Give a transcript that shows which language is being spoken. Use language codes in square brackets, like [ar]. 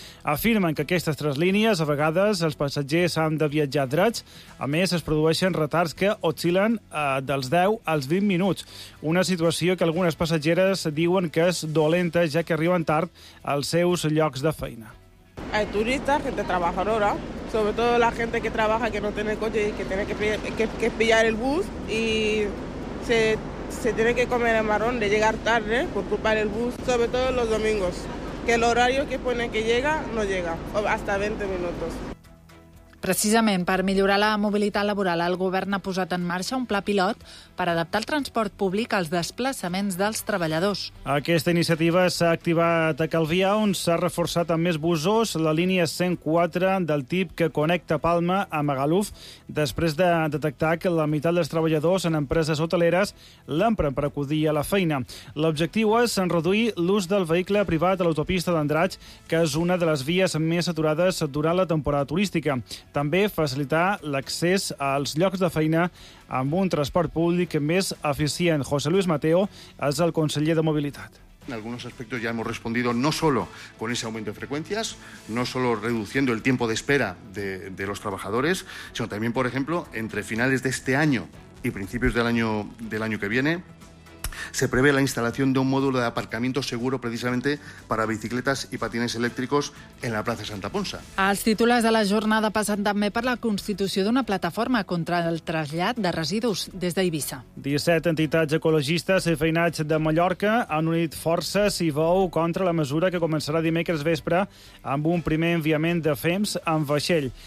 [ca] Afirmen que aquestes tres línies, a vegades, els passatgers han de viatjar drets. A més, es produeixen retards que oscil·len dels 10 als 20 minuts. Una situació que algunes passatgeres diuen que és dolenta, ja que arriben tard als seus llocs de feina. [es] Hay turistas, gente trabajadora, sobre todo la gente que trabaja, que no tiene coche y que tiene que pillar el bus y se tiene que comer el marrón de llegar tarde por ocupar el bus, sobre todo los domingos, que el horario que pone que llega, no llega, hasta 20 minutos. [ca] Precisament per millorar la mobilitat laboral, el govern ha posat en marxa un pla pilot per adaptar el transport públic als desplaçaments dels treballadors. Aquesta iniciativa s'ha activat a Calvià, on s'ha reforçat amb més busos la línia 104 del TIP que connecta Palma a Magaluf, després de detectar que la meitat dels treballadors en empreses hoteleres l'empren per acudir a la feina. L'objectiu és en reduir l'ús del vehicle privat a l'autopista d'Andratx, que és una de les vies més saturades durant la temporada turística. També facilitar l'accés als llocs de feina amb un transport públic més eficient. José Luis Mateo és el conseller de Mobilitat. [es] En algunos aspectos ya hemos respondido no solo con ese aumento de frecuencias, no solo reduciendo el tiempo de espera de los trabajadores, sino también, por ejemplo, entre finales de este año y principios del año que viene, se prevé la instalación de un módulo de aparcamiento seguro precisamente para bicicletas y patines eléctricos en la plaça Santa Ponsa. [ca] Els titulars de la jornada passen també per la constitució d'una plataforma contra el trasllat de residus des d'Eivissa. 17 entitats ecologistes i feinats de Mallorca han unit forces i veu contra la mesura que començarà dimecres vespre amb un primer enviament de FEMS amb vaixell.